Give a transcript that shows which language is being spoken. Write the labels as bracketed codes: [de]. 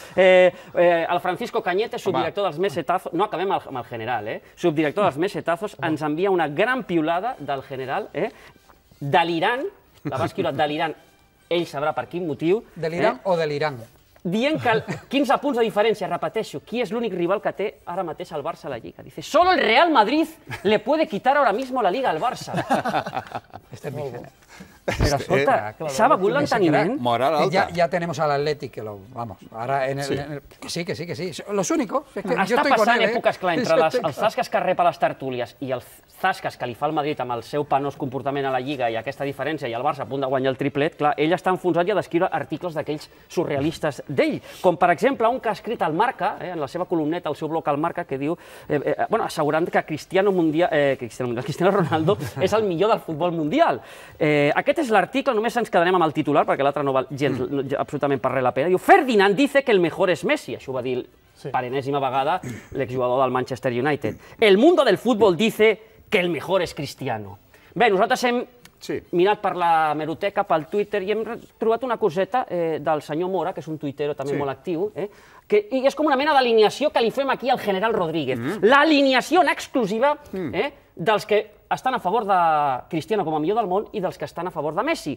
[ca] El Francisco Cañete, subdirector dels Mesetazos, no acabem amb el general, subdirector dels Mesetazos, ens envia una gran piulada del general, delirant, la va escriure delirant, ell sabrà per quin motiu... Delirant o delirant? Dient que 15 punts de diferència, repeteixo, qui és l'únic rival que té ara mateix el Barça a la Lliga? [es] Dice, solo el Real Madrid le puede quitar ahora mismo la Liga al Barça. Este es mi general. [ca] Però escolta, s'ha begut l'enteniment. Moral alta. [es] Ya tenemos al Atlético, que lo, vamos, ahora en el... Que sí, que sí, que sí. Los únicos. [ca] Està passant èpoques, clar, entre els zasques que rep a les tertúlies i els zasques que li fa el Madrid amb el seu penós comportament a la Lliga i aquesta diferència, i el Barça a punt de guanyar el triplet, clar, ell està enfonsat i ha d'escriure articles d'aquells surrealistes d'ell. Com, per exemple, un que ha escrit al Marca, en la seva columneta, al seu bloc al Marca, que diu, bueno, assegurant que Cristiano Ronaldo és el millor del futbol mundial. Aquest és l'article, només ens quedarem amb el titular, perquè l'altre no val gens, absolutament per res la pena. Diu, [es] Ferdinand dice que el mejor es Messi. [ca] Això ho va dir per enèsima vegada l'exjugador del Manchester United. [es] El mundo del futbol dice que el mejor es Cristiano. [ca] Bé, nosaltres hem mirat per l'hemeroteca, pel Twitter, i hem trobat una coseta del senyor Mora, que és un tuitero també molt actiu, i és com una mena d'alineació que li fem aquí al general Rodríguez. L'alineació en exclusiva dels que estan a favor de Cristiano com a millor del món i dels que estan a favor de Messi.